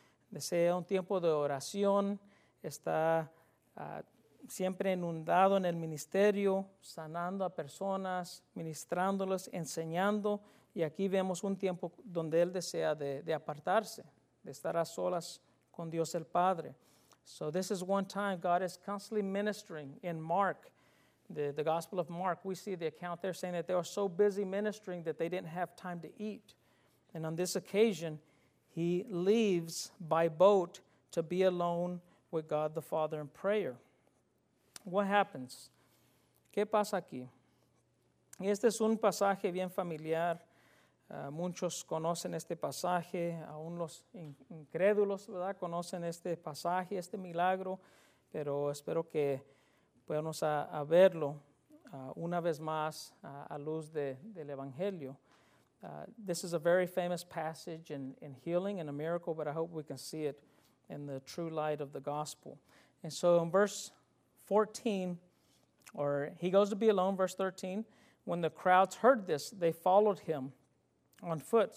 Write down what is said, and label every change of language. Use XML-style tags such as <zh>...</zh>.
<es>Desea un tiempo de oración, está siempre inundado en el ministerio, sanando a personas, ministrándolos, enseñando. Y aquí vemos un tiempo donde Él desea de apartarse, de estar a solas con Dios el Padre.</es> <en>So this is one time God is constantly ministering in Mark, the Gospel of Mark. We see the account there saying that they were so busy ministering that they didn't have time to eat. And on this occasion, He leaves by boat to be alone with God the Father in prayer. What happens?</en> <es>¿Qué pasa aquí? Este es un pasaje bien familiar. Muchos conocen este pasaje, aún los incrédulos, ¿verdad? Conocen este pasaje, este milagro, pero espero que podamos a verlo una vez más a luz del Evangelio.</es> <en>This is a very famous passage in healing and a miracle, but I hope we can see it in the true light of the gospel. And so in verse 14, or he goes to be alone, verse 13, when the crowds heard this, they followed him on foot.</en>